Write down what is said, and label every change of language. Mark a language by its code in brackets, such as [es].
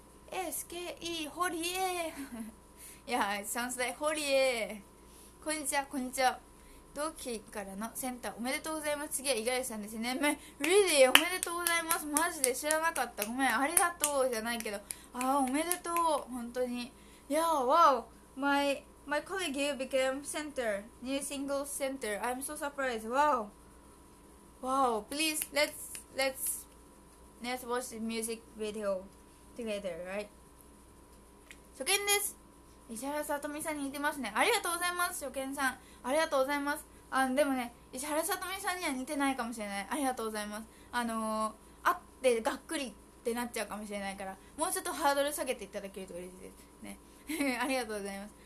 [en] SKE Horie. Yeah, it sounds like Horie. [ja] こんにちは。同期からのセンターおめでとうございます。次は五十嵐さんですね。 [en] め、really? [ja] おめでとうございます。マジで知らなかった。ごめん。ありがとうじゃないけど。ああ、おめでとう。本当に。 [en] Yeah, wow. My colleague, you became center, new singles center. I'm so surprised. Wow. Please, let's watch the music video together, right? [ja] 初見です。石原さとみさんに似てますね。ありがとうございます、初見さん。ありがとうございます。あ、でもね、石原さとみさんには似てないかもしれない。ありがとうございます。会ってがっくりってなっちゃうかもしれないから、もうちょっとハードル下げていただけると嬉しいです。ね。ありがとうございます。